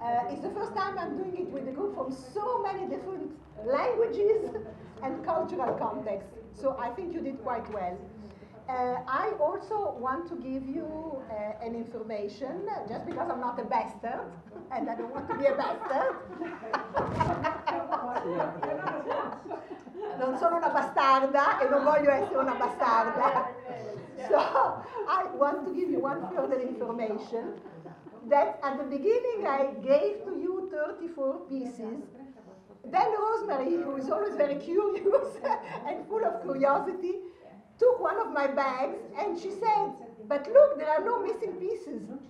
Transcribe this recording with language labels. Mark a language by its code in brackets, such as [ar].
[en] It's the first time I'm doing it with a group from so many different languages and cultural contexts. So I think you did quite well. I also want to give you an information, just because I'm not a bastard, and I don't want to be a bastard. [it] Non sono una bastarda e non voglio essere una bastarda. [en] So I want to give you one further information, that at the beginning I gave to you 34 pieces. Then Rosemary, who is always very curious and full of curiosity, took one of my bags and she said, but look, there are no missing pieces.